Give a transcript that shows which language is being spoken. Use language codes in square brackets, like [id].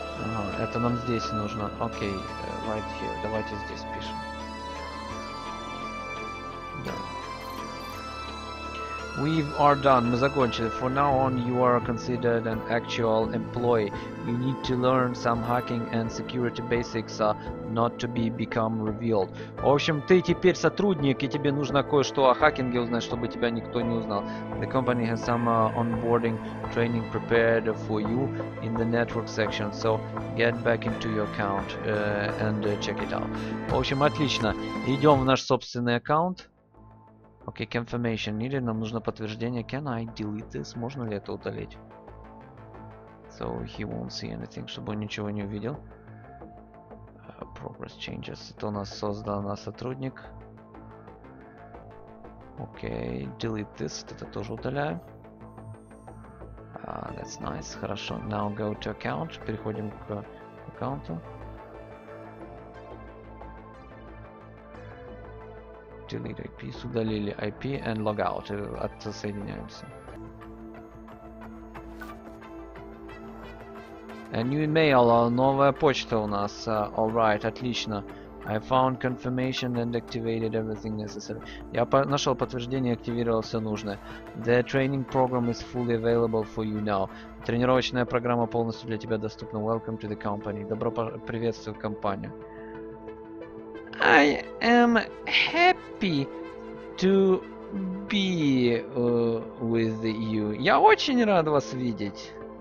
[ru] Ага, это нам здесь нужно. Окей, [en] right here. [ru] Давайте здесь пишем. [en] We are done. [ru] Мы закончили. [en] For now on, you are considered an actual employee. You need to learn some hacking and security basics, not to be become revealed. [ru] В общем, ты теперь сотрудник, и тебе нужно кое-что о хакинге узнать, чтобы тебя никто не узнал. [en] The company has some onboarding training prepared for you in the network section. So get back into your account and check it out. [ru] В общем, отлично. Идем в наш собственный аккаунт. [en] Окей, okay, confirmation needed. [ru] Нам нужно подтверждение. [en] Can I delete this? [ru] Можно ли это удалить? [en] So he won't see anything, [ru] чтобы он ничего не увидел. [en] Progress changes. [ru] Это у нас создан сотрудник. [en] Окей, okay, delete this. [ru] Это тоже удаляю. [en] That's nice. Хорошо. Now go to account. [ru] Переходим к аккаунту. [en] Delete IP, [ru] удалили IP [en] and log out, отсоединяемся. A new email, [ru] новая почта у нас. Alright, отлично. [en] I found confirmation and activated everything necessary. [ru] Я нашел подтверждение, активировал все нужное. [en] The training program is fully available for you now. [ru] Тренировочная программа полностью для тебя доступна. [en] Welcome to the company. [ru] Добро приветствую в компанию. [en] I am happy to be with you. [ru] Я очень рад вас видеть.